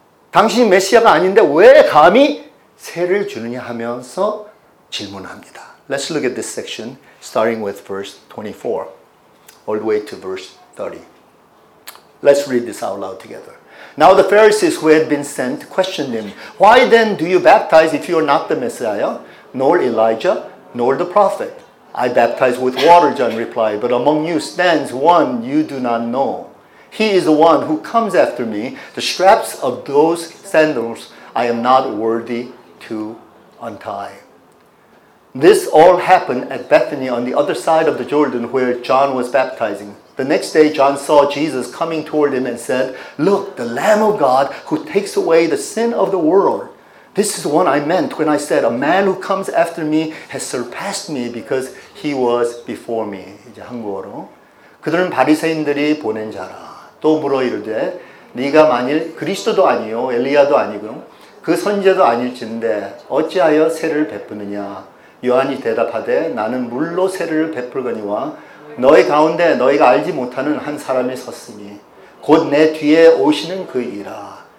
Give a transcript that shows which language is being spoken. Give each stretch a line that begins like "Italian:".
Korean: 당신이 메시아가 아닌데 왜 감히 세례를 주느냐 하면서 질문합니다.
English: Let's look at this section, starting with verse 24, all the way to verse 30. Let's read this out loud together. Now the Pharisees who had been sent questioned him, why then do you baptize if you are not the Messiah, nor Elijah, nor the prophet? I baptize with water, John replied, but among you stands one you do not know. He is the one who comes after me. The straps of those sandals I am not worthy to untie. This all happened at Bethany on the other side of the Jordan where John was baptizing. The next day John saw Jesus coming toward him and said, look, the Lamb of God who takes away the sin of the world. This is what I meant when I said, a man who comes after me has surpassed me because he was before me.
Korean: 이제 한국어로. 그들은 바리새인들이 보낸 자라. 또 물어 이르되, 네가 만일 그리스도도 아니요, 엘리야도 아니고, 그 선지자도 아닐진데, 어찌하여 세례를 베푸느냐? 요한이 대답하되, 나는 물로 세례를 베풀거니와, 너희 가운데 너희가 알지 못하는 한 사람이 섰으니, 곧 내 뒤에 오시는 그이라.